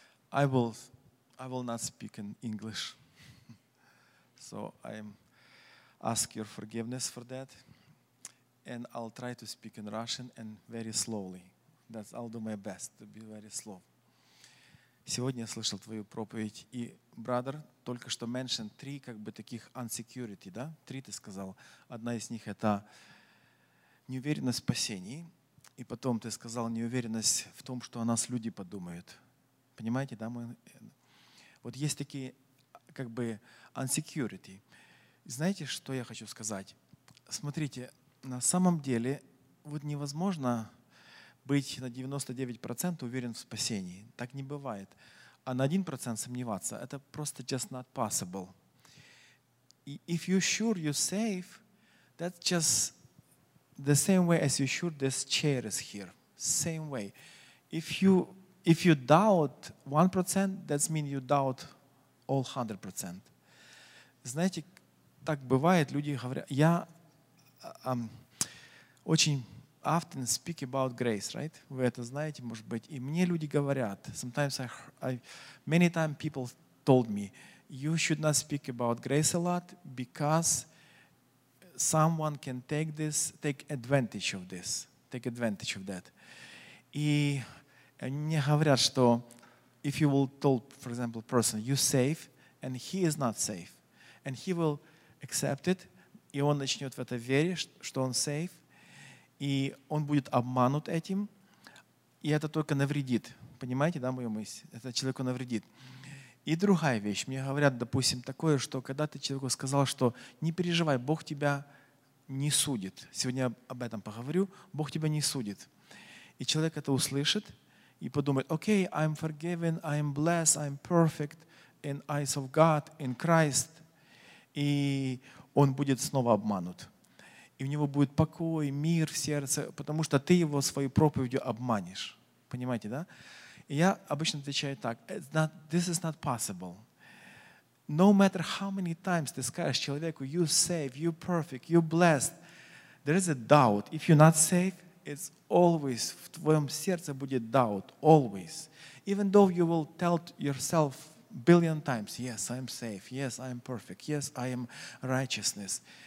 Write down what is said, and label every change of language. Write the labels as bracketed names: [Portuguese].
[English] I will not speak in English. So I ask your forgiveness for that. And I'll try to speak in Russian and very slowly. I'll do my best to be very slow. [Russian] Сегодня я слышал твою проповедь, и brother только что [English] mentioned [Russian] 3 как бы таких insecurity, да? 3 ты сказал. Одна из них это неуверенность в спасении. И потом ты сказал неуверенность в том, что о нас люди подумают. Понимаете, да? Вот есть такие, как бы, insecurity. Знаете, что я хочу сказать? Смотрите, на самом деле, вот невозможно быть на 99% уверен в спасении. Так не бывает. А на 1% сомневаться, это просто [English] just not possible. If you're sure you're safe, That's just the same way as you should. This chair is here. Same way. If you doubt 1%, that means you doubt all 100%. [Russian] Знаете, так бывает, люди говорят, я очень [English] often speak about grace, right? [Russian] Вы это знаете, может быть, и мне люди говорят, [English] sometimes many times people told me, you should not speak about grace a lot because someone can take advantage of that. [Russian] И они мне говорят, что [English] if you will tell, for example, person, you safe, and he is not safe, and he will accept it, [Russian] и он начнет в это верить, что он safe, и он будет обманут этим, и это только навредит. Понимаете, да, мою мысль? Это человеку навредит. И другая вещь. Мне говорят, допустим, такое, что когда ты человеку сказал, что не переживай, Бог тебя не судит. Сегодня об этом поговорю. Бог тебя не судит. И человек это услышит и подумает, окей, [English] okay, I'm forgiven, I'm blessed, I'm perfect in eyes of God, in Christ. [Russian] И он будет снова обманут. И у него будет покой, мир в сердце, потому что ты его своей проповедью обманешь. Понимаете, да? И я обычно отвечаю так, [English] this is not possible. No matter how many times [Russian] ты скажешь человеку, [English] you safe, you perfect, you blessed, there is a doubt. If you're not safe, it's always, [Russian] в твоем сердце будет [English] doubt, always. Even though you will tell yourself billion times, yes, I'm safe, yes, I'm perfect, yes, I am righteousness.